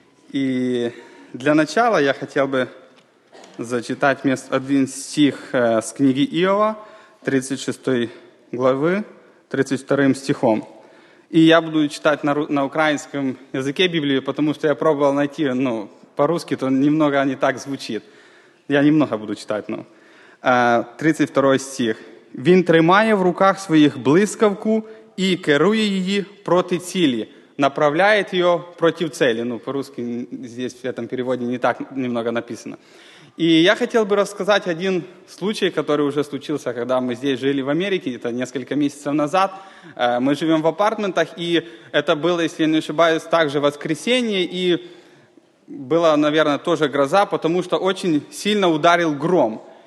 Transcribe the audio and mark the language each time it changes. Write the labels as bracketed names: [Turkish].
[Russian] И для начала я хотел бы зачитать один стих с книги Иова, 36 главы, 32 стихом. И я буду читать на украинском языке Библию, потому что я пробовал найти, по-русски, то немного не так звучит. Я немного буду читать, 32 стих. [Ukrainian] «Він тримає в руках своїх блискавку і керує її проти цілі, направляє її проти цілі». [Russian] По-русски здесь в этом переводі не так немного написано. И я хотел бы рассказать один случай, который уже случился, когда мы здесь жили в Америке, это несколько месяцев назад. Мы живем в апартментах, и это было, если я не ошибаюсь, также воскресенье, и была, наверное, тоже гроза, потому что очень сильно ударил гром.